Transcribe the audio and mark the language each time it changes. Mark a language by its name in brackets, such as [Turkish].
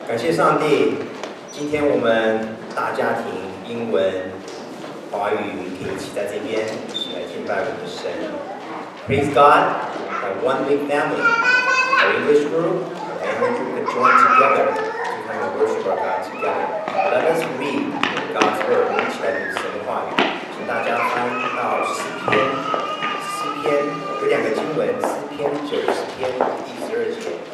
[Chinese] 上帝，今天我们大家庭英文、华语可以一起在这边一起来敬拜我们的神。 [English] Praise God, a one big family, our English group, and we can join together to kind of worship our God together. Let us read God's word, [Chinese] 我们一起来读神的话语。请大家翻到诗篇，诗篇有两个经文，诗篇90篇第12节。